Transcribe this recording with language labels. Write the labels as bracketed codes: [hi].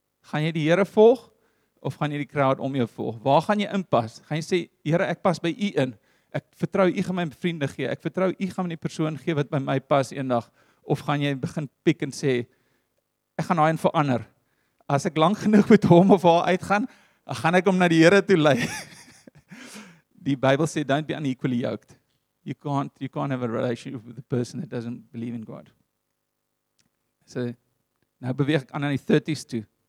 [af] Gaan jy die Here volg of gaan jy die crowd om jou volg? Waar gaan jy inpas? Gaan jy sê, Here, ek pas by U in. Ek vertrou U gaan my vriende gee. Ek vertrou U gaan my die persoon gee wat by my pas eendag. Of gaan jy begin piek en sê, ek gaan daai een verander. As ek lang genoeg met hom of haar uitgaan, dan gaan ek hom na die Here toe lei. Die Bybel sê, [en] don't be unequally yoked. You can't have a relationship with a person that doesn't believe in God. [af] So, nou beweeg ek aan na die 30s toe.